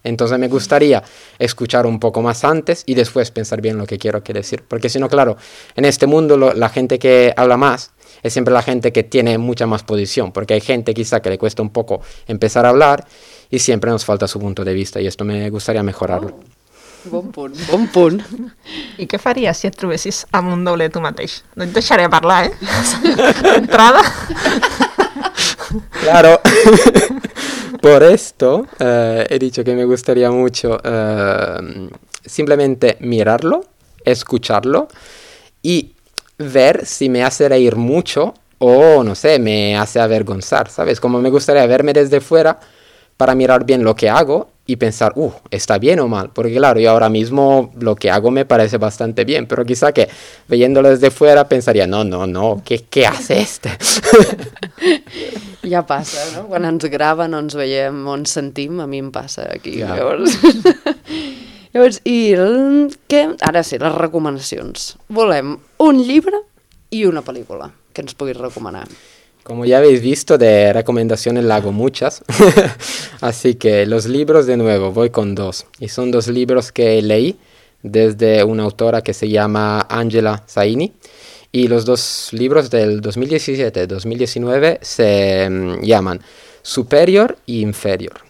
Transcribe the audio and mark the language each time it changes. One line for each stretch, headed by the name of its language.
Spanish: Entonces me gustaría escuchar un poco más antes y después pensar bien lo que quiero decir. Porque si no, claro, en este mundo la gente que habla más es siempre la gente que tiene mucha más posición. Porque hay gente quizá que le cuesta un poco empezar a hablar y siempre nos falta su punto de vista. Y esto me gustaría mejorarlo.
Catalan: Bon punt. I què faries si et trobessis amb un doble tu mateix? No et deixaré parlar, Entrada.
Spanish: Claro. Por esto he dicho que me gustaría mucho simplemente mirarlo, escucharlo, y ver si me hace reír mucho o, no sé, me hace avergonzar, ¿sabes? Como me gustaría verme desde fuera para mirar bien lo que hago y pensar, está bien o mal. Porque claro, yo ahora mismo lo que hago me parece bastante bien, pero quizá que viéndolo desde fuera pensaría, no, ¿qué hace este? Ya pasa, ¿no?
Catalan: Quan ens graven o ens veiem o ens sentim, a mi em passa aquí, ja. Llavors... Llavors, i què? Ara sí, les recomanacions. Volem un llibre i una pel·lícula que ens puguis recomanar.
Spanish: Como ya habéis visto, de recomendaciones hago muchas. Así que los libros, de nuevo, voy con dos. Y son dos libros que leí desde una autora que se llama Angela Saini. Y los dos libros del 2017-2019 se llaman Superior y Inferior.